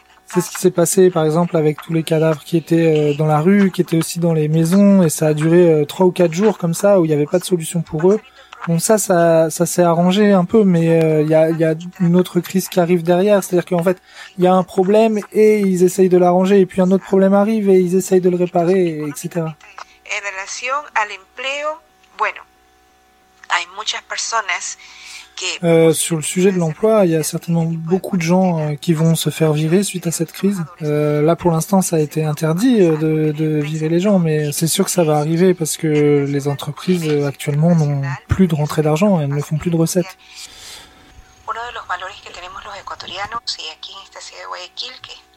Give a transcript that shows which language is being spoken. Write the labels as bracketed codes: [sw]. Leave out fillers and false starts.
[fr] C'est ce qui s'est passé, par exemple, avec tous les cadavres qui étaient dans la rue, qui étaient aussi dans les maisons, et ça a duré 3 ou 4 jours comme ça, où il n'y avait pas de solution pour eux. Bon, ça s'est arrangé un peu, mais il y a une autre crise qui arrive derrière. C'est-à-dire qu'en fait, il y a un problème et ils essayent de l'arranger, et puis un autre problème arrive et ils essayent de le réparer, etc. [es] En relación al empleo, bueno, hay muchas personas que... [fr] Sur le sujet de l'emploi, il y a certainement beaucoup de gens qui vont se faire virer suite à cette crise. Là, pour l'instant, ça a été interdit de virer les gens, mais c'est sûr que ça va arriver parce que les entreprises actuellement n'ont plus de rentrée d'argent, elles ne font plus de recettes. [es] Uno de los valores que tenemos los ecuatorianos y aquí en esta ciudad de Guayaquil que...